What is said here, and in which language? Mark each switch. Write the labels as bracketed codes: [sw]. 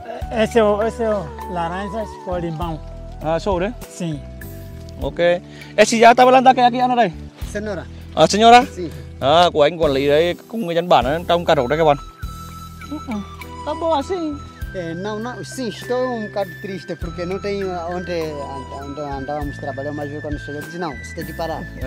[pt] Esse é o laranja com limão. Ah, sou, né? Sim. Ok. Esse já estava lá aqui, Ana, daí? Senhora. Ah, senhora? Sim. [vi] Ah, của anh quản lý đấy, cùng người dân bản trong cà rốt đấy, các bạn. [pt] Tá bom assim? Não, não. Sim, estou bocado triste, porque não tenho onde andávamos trabalhar, mas eu quando cheguei, disse, não, você tem que parar.